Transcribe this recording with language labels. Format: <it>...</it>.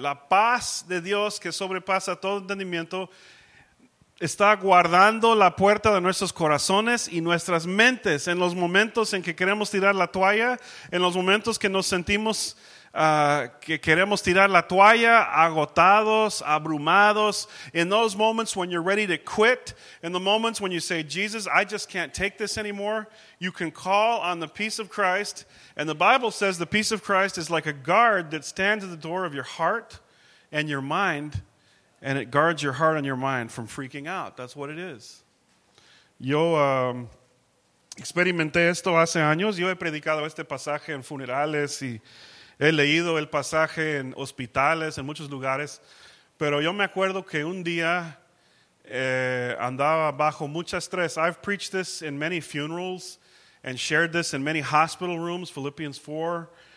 <es>La paz de Dios que sobrepasa todo entendimiento está guardando la puerta de nuestros corazones y nuestras mentes. En los momentos en que queremos tirar la toalla, en los momentos que nos sentimos que queremos tirar la toalla, agotados, abrumados.</es> <en>In those moments when you're ready to quit, in the moments when you say, Jesus, I just can't take this anymore, you can call on the peace of Christ. And the Bible says the peace of Christ is like a guard that stands at the door of your heart and your mind, and it guards your heart and your mind from freaking out. That's what it is.</en> <es>Yo experimenté esto hace años. Yo he predicado este pasaje en funerales y he leído el pasaje en hospitales, en muchos lugares. Pero yo me acuerdo que un día andaba bajo mucho estrés.</es> <en>I've preached this in many funerals and shared this in many hospital rooms, Philippians 4.</en>